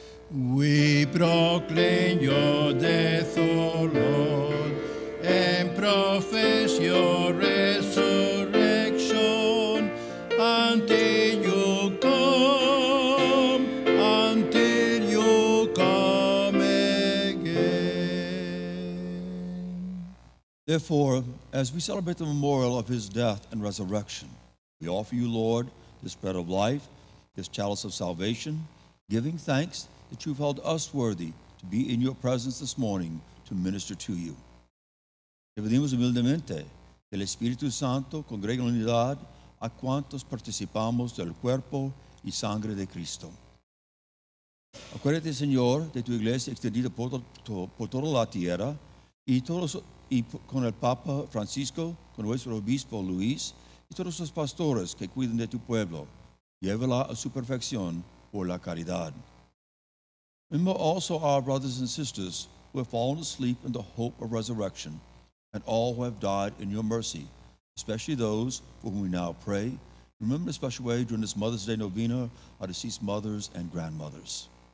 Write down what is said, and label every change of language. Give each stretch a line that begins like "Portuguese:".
English: We proclaim your death, O Lord, and profess your resurrection until you come, until you come again. Therefore, as we celebrate the memorial of his death and resurrection, we offer you, Lord, this bread of life, this chalice of salvation, giving thanks that you've held us worthy to be in your presence this morning to minister to you.
Spanish: Te pedimos humildemente que el Espíritu Santo congregue en unidad a cuantos participamos del cuerpo y sangre de Cristo. Acuérdate, Señor, de tu iglesia extendida por toda la tierra y todos y con el Papa Francisco, con nuestro Obispo Luis, y todos los pastores que cuidan de tu pueblo, llévala a su perfección por la caridad.
English: Remember also our brothers and sisters who have fallen asleep in the hope of resurrection, and all who have died in your mercy, especially those for whom we now pray. Remember in a special way during this Mother's Day novena our deceased mothers and grandmothers.